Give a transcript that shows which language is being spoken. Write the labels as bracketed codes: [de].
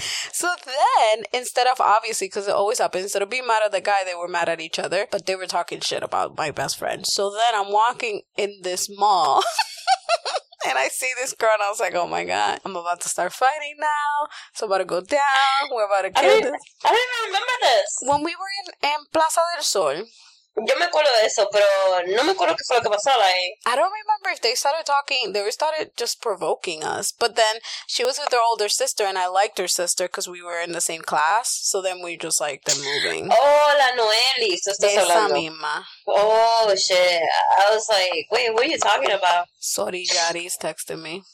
[en] So then, instead of, obviously, because it always happens, instead of being mad at the guy, they were mad at each other, but they were talking shit about my best friend. So then I'm walking in this mall, and I see this girl, and I was like, oh my God, I'm about to start fighting now, so I'm about to go down, we're about to kill this. I don't even remember this. When we were in Plaza del Sol, [es] Yo me acuerdo de eso, pero no me acuerdo qué fue lo que pasó. [en] I don't remember if they started talking. They started just provoking us. But then she was with her older sister, and I liked her sister because we were in the same class. So then we just liked them moving. [es] Oh, la Noeli. So estás hablando. Esa misma. [en] Oh, shit. I was like, wait, what are you talking about? Sorry, Jari's texting me.